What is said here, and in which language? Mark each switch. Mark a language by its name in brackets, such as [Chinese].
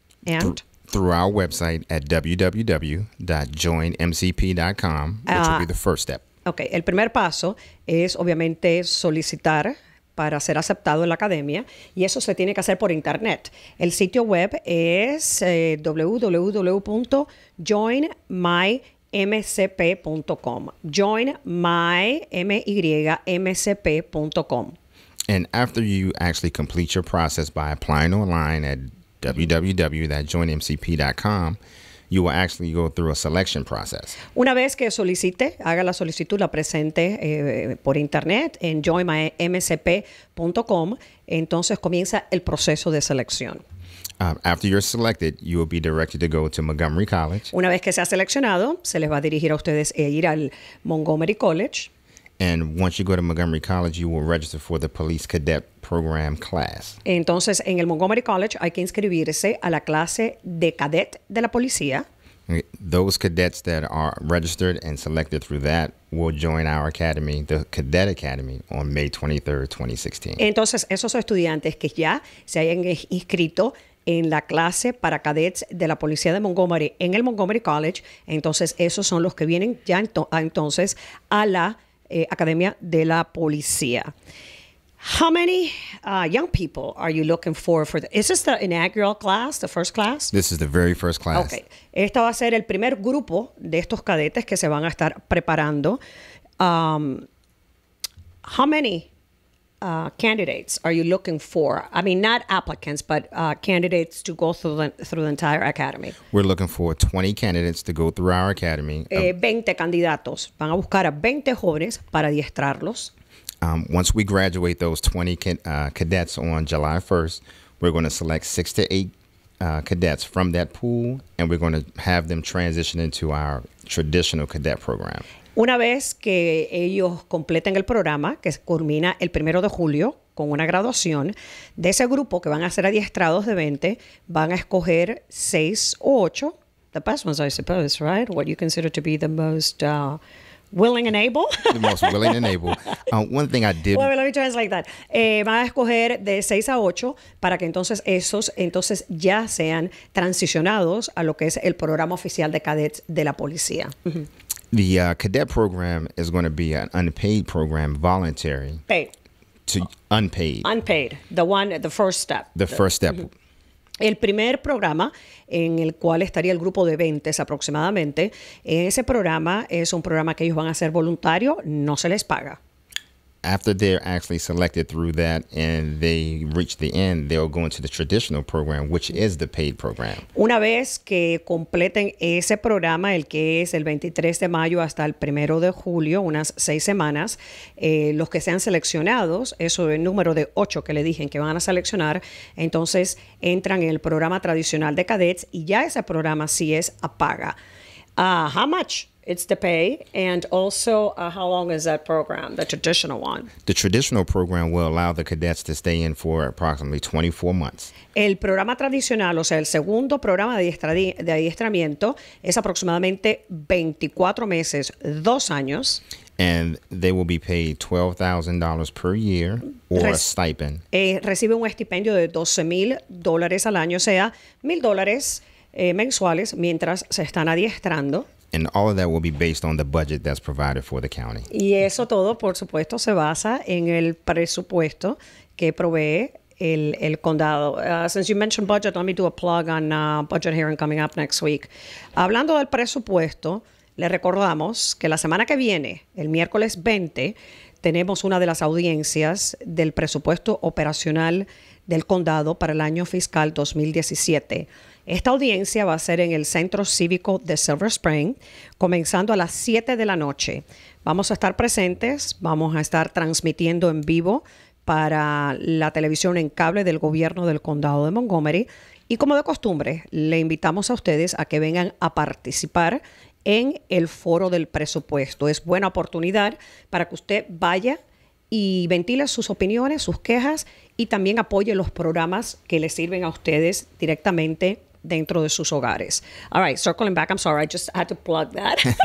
[English] And through our website at www.joinmcp.com, which will be the first step. [Spanish] Okay, el primer paso es obviamente solicitar para ser aceptado en la academia, y eso se tiene que hacer por internet. El sitio web es www.joinmymcp.com. Joinmymcp.com. [English] And after you actually complete your process by applying online at www.joinmcp.com, you will actually go through a selection process. [Spanish] Una vez que solicite, haga la solicitud, la presente por internet en joinmymcp.com, entonces comienza el proceso de selección. [English] After you're selected, you will be directed to go to Montgomery College. [Spanish] Una vez que sea seleccionado, se les va a dirigir a ustedes e ir al Montgomery College. [English] And once you go to Montgomery College, you will register for the Police Cadet Program class. [Spanish] Entonces, en el Montgomery College hay que inscribirse a la clase de cadet de la policía. [English] Those cadets that are registered and selected through that will join our academy, the Cadet Academy, on May 23rd, 2016. [Spanish] Entonces, esos estudiantes que ya se hayan inscrito en la clase para cadets de la policía de Montgomery en el Montgomery College, entonces esos son los que vienen ya entonces a la Academia de la Policía. [English] How many young people are you looking for the, is this the inaugural class, the first class? This is the very first class. [Spanish] Okay. Este va a ser el primer grupo de estos cadetes que se van a estar preparando. [English] How many candidates are you looking for? I mean, not applicants, but candidates to go through the entire academy. We're looking for 20 candidates to go through our academy. [Spanish] 20 candidatos. Van a buscar a 20 jóvenes para adiestrarlos. [English] Once we graduate those 20 cadets on July 1st, we're going to select 6 to 8 cadets from that pool, and we're going to have them transition into our traditional cadet program. [Spanish] Una vez que ellos completen el programa, que culmina el primero de julio con una graduación, de ese grupo que van a ser adiestrados de 20, van a escoger 6 o 8, [English] the best ones, I suppose, right? What you consider to be the most willing and able. The most willing and able. One thing I did. Well, let me translate that. [Spanish] Van a escoger de 6 a 8 para que entonces esos entonces ya sean transicionados a lo que es el programa oficial de cadets de la policía. [English] Mm-hmm. The cadet program is going to be an unpaid program, voluntary. Paid. Unpaid. Unpaid. The first step. The first step. Mm-hmm. [Spanish] El primer programa en el cual estaría el grupo de 20 aproximadamente, ese programa es un programa que ellos van a ser voluntario, no se les paga. [English] After they're actually selected through that and they reach the end, they'll go into the traditional program, which is the paid program. [Spanish] Una vez que completen ese programa, el que es el 23 de mayo hasta el 1 de julio, unas 6 semanas, los que sean seleccionados, eso es el número de 8 que le dije que van a seleccionar, entonces entran en el programa tradicional de cadets y ya ese programa sí es a paga. [English] How much? It's the pay, and also how long is that program, the traditional one? The traditional program will allow the cadets to stay in for approximately 24 months. [Spanish] El programa tradicional, o sea, el segundo programa de adiestramiento, es aproximadamente 24 meses, 2 años. [English] And they will be paid $12,000 per year or a stipend. [Spanish] Recibe un estipendio de $12,000 al año, o sea, $1,000 mensuales mientras se están adiestrando. [English] And all of that will be based on the budget that's provided for the county. [Spanish] Y eso todo, por supuesto, se basa en el presupuesto que provee el condado. Since you mentioned budget, let me do a plug on budget hearing coming up next week. Hablando del presupuesto, le recordamos que la semana que viene, el miércoles 20, tenemos una de las audiencias del presupuesto operacional del condado para el año fiscal 2017. Esta audiencia va a ser en el Centro Cívico de Silver Spring, comenzando a las 7 de la noche. Vamos a estar presentes, vamos a estar transmitiendo en vivo para la televisión en cable del gobierno del condado de Montgomery. Y como de costumbre, le invitamos a ustedes a que vengan a participar en el foro del presupuesto. Es buena oportunidad para que usted vaya y ventile sus opiniones, sus quejas y también apoye los programas que le sirven a ustedes directamente dentro de sus hogares. [English] All right, circling back. I'm sorry, I just had to plug that.